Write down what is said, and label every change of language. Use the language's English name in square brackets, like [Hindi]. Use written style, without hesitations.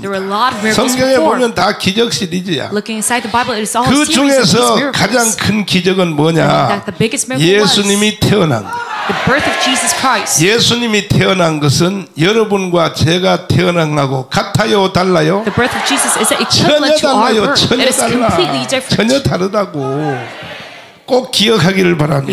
[English] There were a lot of miracles [Korean] 성경에 [English] before. [Korean] 보면 다 기적 시리즈야. [English] Looking inside the Bible, it's all [Korean] 그 중에서 가장 큰 기적은 뭐냐? 예수님이 태어난 [English] The birth of Jesus Christ. [Korean] 예수님이 태어난 것은 여러분과 제가 태어난 것하고 같아요, 달라요? [English] The birth of Jesus is equivalent to our birth. It is completely different. [Korean] 전혀 다르다고 꼭 기억하기를 바랍니다.